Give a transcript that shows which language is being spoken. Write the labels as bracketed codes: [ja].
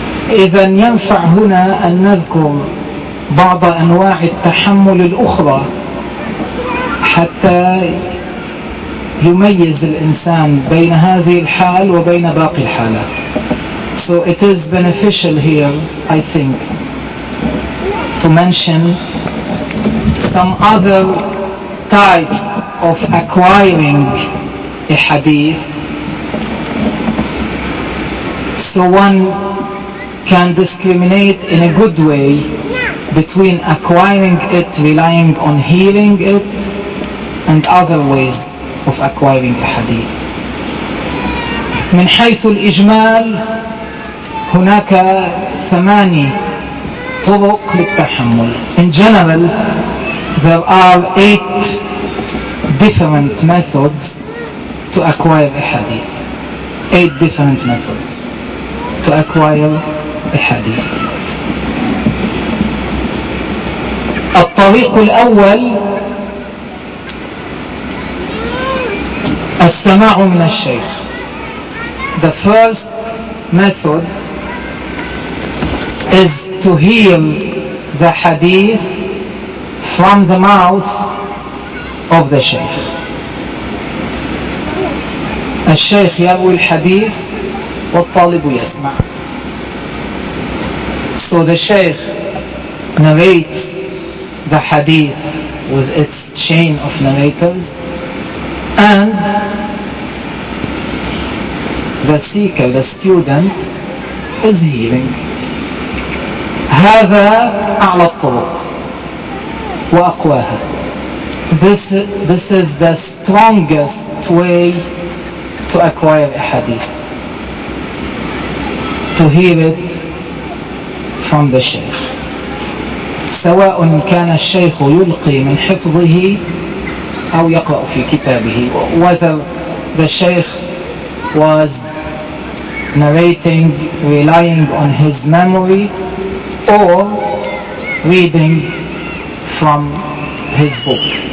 [ar] إذا ينفع هنا أن نذكر بعض أنواع التحمل الأخرى حتى يميز الإنسان بين هذه الحال وبين باقي الحالات. [en] So it is beneficial here, I think, to mention some other type of acquiring a hadith, so one can discriminate in a good way between acquiring it, relying on hearing it, and other ways of acquiring a hadith. [ar] من حيث الإجمال هناك ثماني طرق للتحمل. [en] In general, there are 8 different methods to acquire a hadith. 8 different methods to acquire a hadith. [ar] الطريق الأول السماع من الشيخ. [en] The first method is to hear the hadith from the mouth of the sheikh. [ar] الشيخ يروي الحديث والطالب يسمع. [en] So the sheikh narrates the hadith with its chain of narrators, And the seeker, the student, is healing. [ar] هذا أعلى الطرق وأقواها. [en] This is the strongest way to acquire a hadith, to hear it from the sheikh. [ar] سواء كان الشيخ يلقي من حفظه أو يقرأ في كتابه. [en] Whether the sheikh was narrating, relying on his memory, or reading from his book.